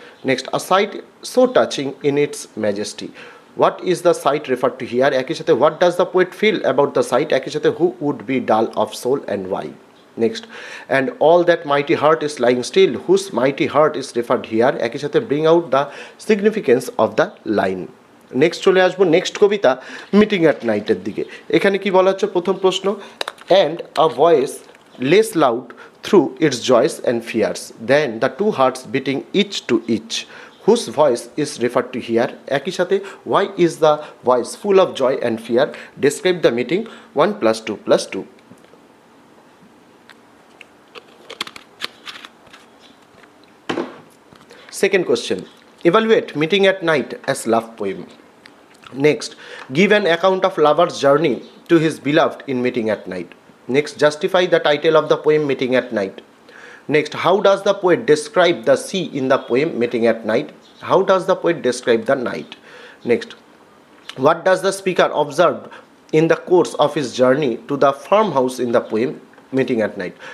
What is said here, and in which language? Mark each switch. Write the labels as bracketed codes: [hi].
[en] Next, a sight so touching in its majesty. What is the sight referred to here? Akishate, what does the poet feel about the sight? Akishate, who would be dull of soul and why? Next, and all that mighty heart is lying still. Whose mighty heart is referred here? Akishate, bring out the significance of the line. [bn] Next চলে আসবো next Kabita meeting at নাইটের দিকে এখানে কি বলা হচ্ছে প্রথম প্রশ্ন [en] And a voice less loud through its joys and fears than the two hearts beating each to each whose voice is refer to here একই সাথে why is the voice full of joy and fear describe the meeting one plus two plus two second question evaluate meeting at night as love poem Next, give an account of lover's journey to his beloved in meeting at night. Next, justify the title of the poem Meeting at Night. Next, how does the poet describe the sea in the poem Meeting at Night? How does the poet describe the night? Next, what does the speaker observe in the course of his journey to the farmhouse in the poem Meeting at Night?